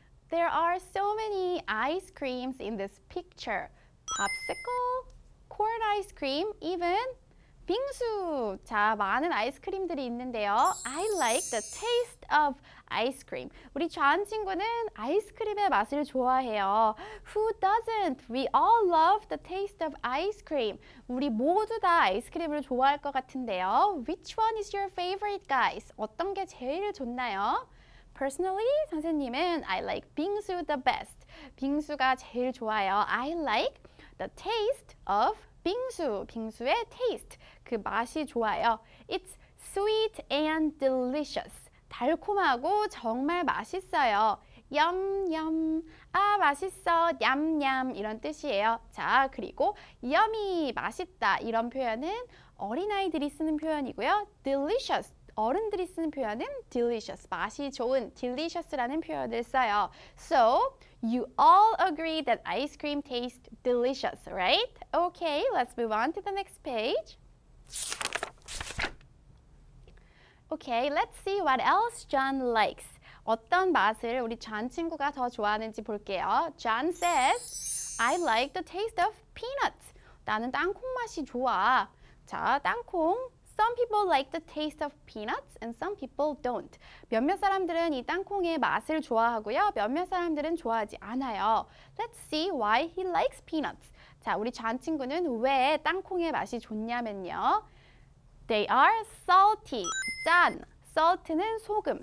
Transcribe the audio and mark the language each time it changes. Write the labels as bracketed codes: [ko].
[en] There are so many ice creams in this picture. Popsicle, corn ice cream, even 빙수. [ko] 자, 많은 아이스크림들이 있는데요. [en] I like the taste of ice cream. [ko] 우리 존 친구는 아이스크림의 맛을 좋아해요. [en] Who doesn't? We all love the taste of ice cream. [ko] 우리 모두 다 아이스크림을 좋아할 것 같은데요. [en] Which one is your favorite, guys? [ko] 어떤 게 제일 좋나요? [en] Personally, [ko] 선생님은 [en] I like 빙수 the best. [ko] 빙수가 제일 좋아요. [en] I like the taste of 빙수. 빙수의 taste. [ko] 그 맛이 좋아요. [en] It's sweet and delicious. [ko] 달콤하고 정말 맛있어요. [en] Yum, yum. [ko] 아, 맛있어. 냠냠. 이런 뜻이에요. 자, 그리고 yummy, 맛있다. 이런 표현은 어린아이들이 쓰는 표현이고요. Delicious. 어른들이 쓰는 표현은 delicious, 맛이 좋은, delicious라는 표현을 써요. [en] So, you all agree that ice cream tastes delicious, right? Okay, let's move on to the next page. Okay, let's see what else John likes. [ko] 어떤 맛을 우리 John 친구가 더 좋아하는지 볼게요. [en] John says, I like the taste of peanuts. [ko] 나는 땅콩 맛이 좋아. 자, 땅콩. [en] Some people like the taste of peanuts and some people don't. [ko] 몇몇 사람들은 이 땅콩의 맛을 좋아하고요. 몇몇 사람들은 좋아하지 않아요. [en] Let's see why he likes peanuts. [ko] 자, 우리 존 친구는 왜 땅콩의 맛이 좋냐면요. [en] They are salty. [ko] 짠. [en] Salt는 소금.